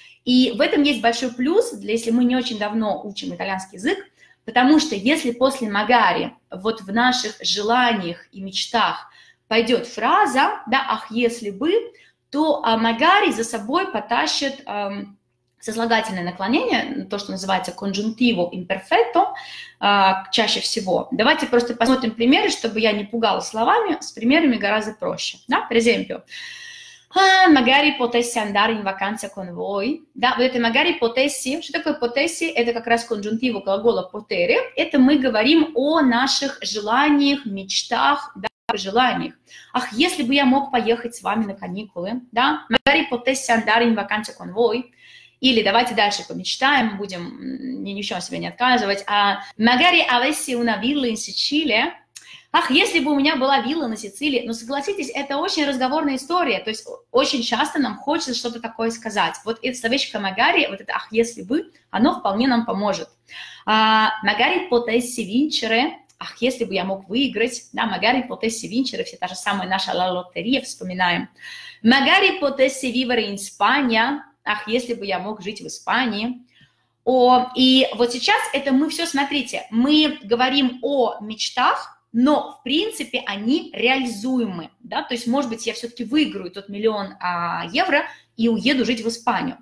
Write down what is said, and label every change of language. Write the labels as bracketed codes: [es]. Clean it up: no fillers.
[ru] И в этом есть большой плюс, для если мы не очень давно учим итальянский язык, потому что если после «magari» вот в наших желаниях и мечтах пойдет фраза, да, «ах, если бы», то «magari» за собой потащит Сослагательное наклонение, то, что называется конжунктиву имперфекту, чаще всего. Давайте просто посмотрим примеры, чтобы я не пугала словами, с примерами гораздо проще. Да? [it] Per esempio, magari potessi andare in vacanza con voi. [ru] Да, вот это [it] magari potessi, [ru] что такое potessi? Это как раз конжунктиву глагола potere. Это мы говорим о наших желаниях, мечтах, да? Желаниях. Ах, если бы я мог поехать с вами на каникулы, да? [it] Magari potessi andare in vacanza con voi. [ru] Или давайте дальше помечтаем, будем ни в чем себе не отказывать. [it] Magari avessi una villa in Sicilia. [ru] Ах, если бы у меня была вилла на Сицилии. Ну, согласитесь, это очень разговорная история. То есть очень часто нам хочется что-то такое сказать. Вот это словечко magari, вот это ах, если бы, оно вполне нам поможет. [it] Magari potessi vincere. [ru] Ах, если бы я мог выиграть. [it] Да, magari potessi vincere. [ru] Все та же самая наша la lotteria, вспоминаем. [it] Magari potessi vivere in Spagna. [ru] Ах, если бы я мог жить в Испании. О, и вот сейчас это мы все, смотрите, мы говорим о мечтах, но, в принципе, они реализуемы. Да? То есть, может быть, я все-таки выиграю тот миллион евро и уеду жить в Испанию.